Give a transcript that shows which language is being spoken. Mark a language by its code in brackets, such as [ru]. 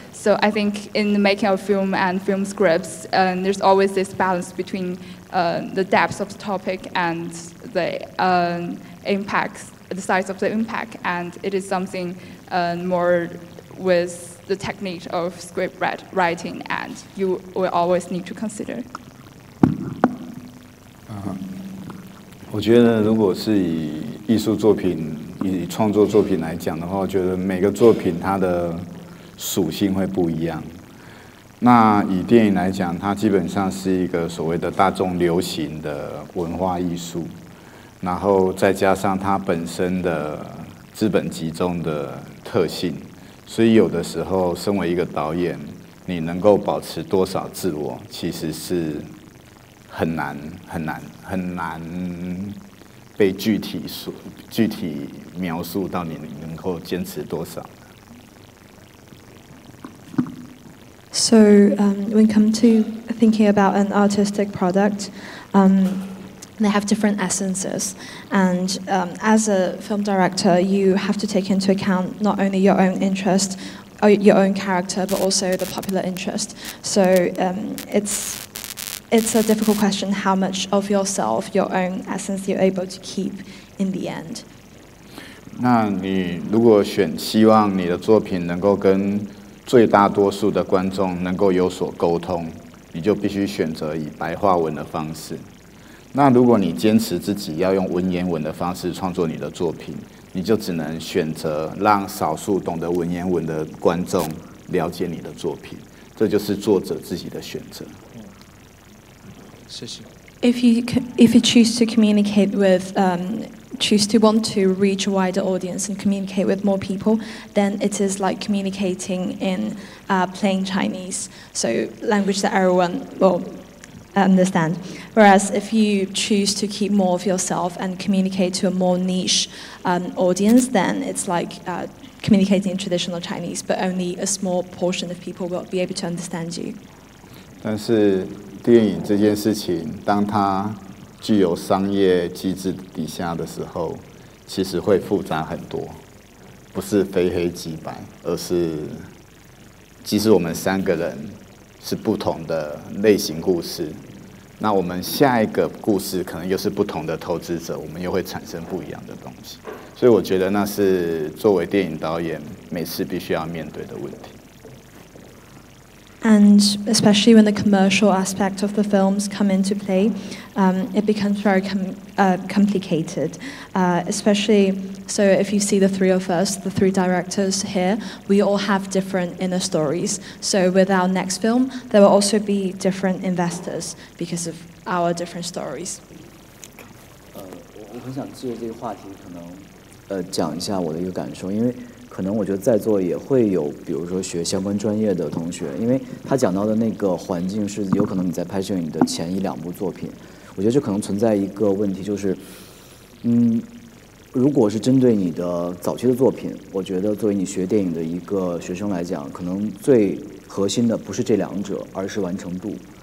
[en] So I think in the making of film and film scripts, there's always this balance between the depth of the topic and the impact, the size of the impact, and it is something more with the technique of script writing, and you will always need to consider. [zh] 我觉得如果是以艺术作品、以创作作品来讲的话，我觉得每个作品它的属性会不一样。那以电影来讲，它基本上是一个所谓的大众流行的文化艺术，然后再加上它本身的资本集中的特性，所以有的时候身为一个导演，你能够保持多少自我，其实是很难很难很难被具体描述到你能够坚持多少。 [en] So when it comes to thinking about an artistic product, they have different essences. And as a film director, you have to take into account not only your own interest or your own character, but also the popular interest. So it's a difficult question how much of yourself, your own essence, you're able to keep in the end. [zh] 那你如果选希望你的作品能够跟最大多数的观众能够有所沟通，你就必须选择以白话文的方式。那如果你坚持自己要用文言文的方式创作你的作品，你就只能选择让少数懂得文言文的观众了解你的作品，这就是作者自己的选择。谢谢。 [en] If you choose to communicate with choose to want to reach a wider audience and communicate with more people, then it is like communicating in plain Chinese, so language that everyone will understand. Whereas if you choose to keep more of yourself and communicate to a more niche audience, then it's like communicating in traditional Chinese, but only a small portion of people will be able to understand you. [zh] 但是电影这件事情，当它具有商业机制底下的时候，其实会复杂很多，不是非黑即白，而是即使我们三个人是不同的类型故事，那我们下一个故事可能又是不同的投资者，我们又会产生不一样的东西，所以我觉得那是作为电影导演每次必须要面对的问题。 [en] And especially when the commercial aspect of the films come into play, it becomes very complicated. Especially, so if you see the three of us, the three directors here, we all have different inner stories. So with our next film, there will also be different investors because of our different stories. [zh] 我很想借这个话题可能讲一下我的一个感受，因为可能我觉得在座也会有比如说学相关专业的同学，因为他讲到的那个环境是有可能你在拍摄你的前一两部作品，我觉得这可能存在一个问题，就是如果是针对你的早期的作品，我觉得作为你学电影的一个学生来讲，可能最核心的不是这两者，而是完成度。